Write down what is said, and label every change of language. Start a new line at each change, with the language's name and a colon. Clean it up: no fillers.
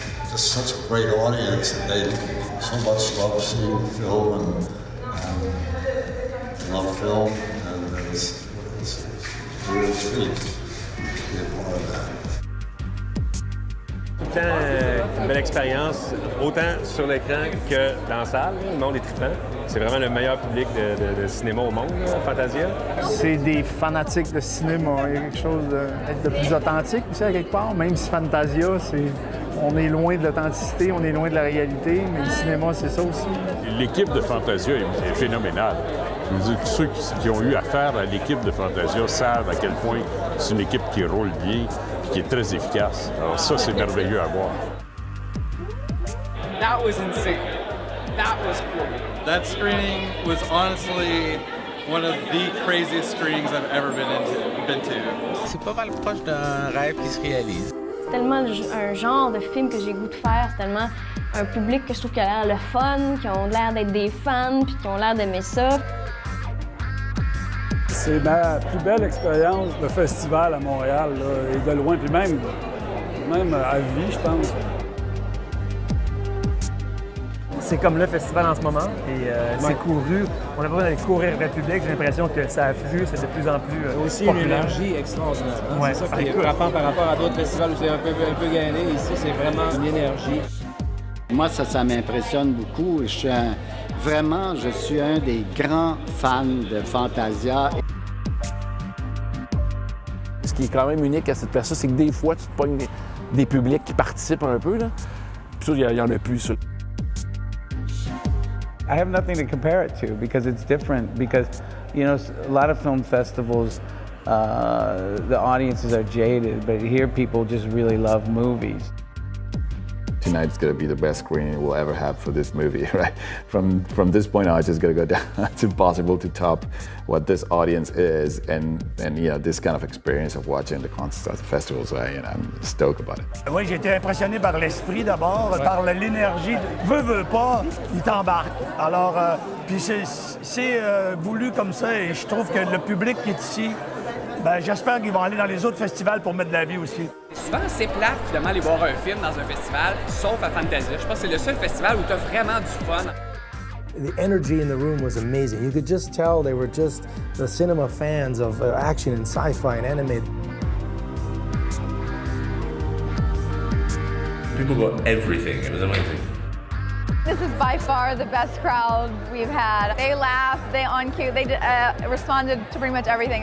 English: Just such a great audience, and they so much love seeing film and love film, and it's really cool to be a part of that.
French: Une belle expérience, autant sur l'écran que dans la salle. Le monde est trippant. C'est vraiment le meilleur public de cinéma au monde, Fantasia. C'est des fanatiques de cinéma. Il y a quelque chose de plus authentique aussi, à quelque part. Même si Fantasia, on est loin de l'authenticité, on est loin de la réalité, mais le cinéma, c'est ça aussi. L'équipe de Fantasia est phénoménale. Je veux dire, tous ceux qui ont eu affaire à l'équipe de Fantasia savent à quel point c'est une équipe qui roule bien. Qui est très efficace. Alors ça, c'est merveilleux à voir.
English: That was insane. That was cool. That screening was honestly one of the craziest screenings I've ever been to.
French: C'est pas mal proche d'un rêve qui se réalise. C'est tellement un genre de film que j'ai goût de faire. C'est tellement un public que je trouve qui a l'air le fun, qui ont l'air d'être des fans, puis qui ont l'air d'aimer ça. C'est ma plus belle expérience de festival à Montréal, là, et de loin, puis même à vie, je pense. C'est comme le festival en ce moment, et c'est couru. On n'a pas besoin d'aller courir vers le public. J'ai l'impression que ça afflue, c'est de plus en plus populaire. Aussi populaire. Une énergie extraordinaire. Hein? Ouais, c'est ça qui est frappant par rapport à d'autres festivals où c'est un peu gainé. Ici, c'est vraiment une énergie. Moi, ça m'impressionne beaucoup. Je suis un des grands fans de Fantasia. Ce qui est quand même unique à cette personne, c'est que des fois, tu pognes des publics qui participent un peu. Là. Puis ça, il n'y en a plus. Ça.
English: I have nothing to compare it to because it's different. Because, you know, a lot of film festivals, the audiences are jaded, but here people just really love movies. Tonight's gonna be the best screening we'll ever have for this movie, right? From this point on, it's just gonna go down. It's impossible to top what this audience is and you know, this kind of experience of watching the concerts at the festivals, right? You know, I'm stoked about it.
French: Oui, j'ai été impressionné par l'esprit d'abord, ouais. Par l'énergie. Veux pas, il t'embarque. Alors, puis c'est voulu comme ça, et je trouve que le public qui est ici, ben, j'espère qu'ils vont aller dans les autres festivals pour mettre de la vie aussi. Souvent, c'est plate, finalement, aller voir un film dans un festival, sauf à Fantasia. Je pense que c'est le seul festival où tu as vraiment du fun.
English: The energy in the room was amazing. You could just tell they were just the cinema fans of action and sci-fi and anime. People got everything. It was amazing. This is by far the best crowd we've had. They laughed, they on cue, they responded to pretty much everything.